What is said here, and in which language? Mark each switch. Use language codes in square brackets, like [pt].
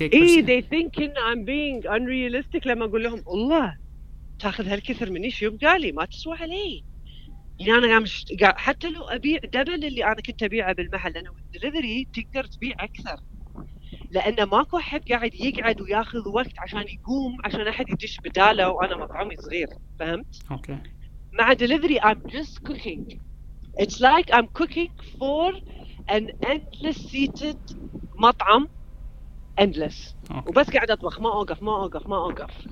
[ar] إيه [en] they think I'm being unrealistic [ar] لما اقول لهم الله تاخذ هالكثر مني شو يبقى لي ما تسوى علي يعني انا قام حتى لو ابيع دبل اللي انا كنت ابيعه بالمحل انا والدليفري تقدر تبيع اكثر لان ماكو احد قاعد يقعد وياخذ وقت عشان يقوم عشان احد يدش بداله وانا مطعمي صغير فهمت اوكي [en] مع delivery I'm just cooking. It's like I'm cooking for an endless seated [ar] مطعم [en] endless. Okay. [ar] وبس قاعد أطبخ ما أوقف ما أوقف ما أوقف.